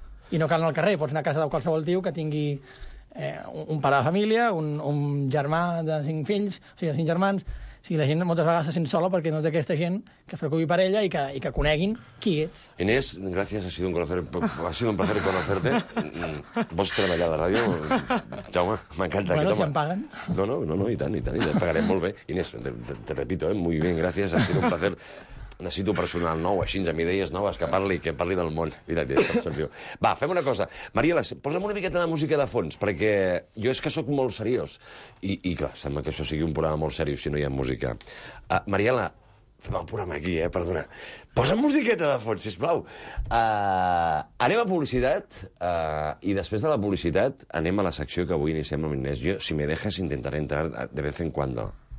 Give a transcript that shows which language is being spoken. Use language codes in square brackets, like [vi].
[ca] I no cal anar al carrer, pots anar a casa de qualsevol tio que tingui un pare de família, un germà de 5 fills, o sigui, 5 germans... Sí, la gent moltes vegades se sent sola perquè no és d'aquesta gent que es preocupi per ella i que coneguin qui ets. [es] Inés, gràcies, ha sido un placer conocerte. [ca] Vols treballar a la ràdio? Jaume, m'encanta. Bueno, si em paguen. No, i tant, et pagarem molt bé. [es] Inés, te repito, muy bien, gracias, ha sido un placer. [ca] necessito personal nou, així, amb idees noves, que parli, que parli del món. Mira, mira, va, fem una cosa. Maria, posa'm una miqueta de música de fons, perquè jo és que sóc molt seriós. I clar, sembla que això sigui un programa molt seriós, si no hi ha música. Mariela, fem el programa aquí, perdona. Posa'm musiqueta de fons, sisplau. Anem a publicitat, i després de la publicitat anem a la secció que avui iniciem amb Inés. [es] Jo, si me dejes, intentaré entrar de vez en cuando.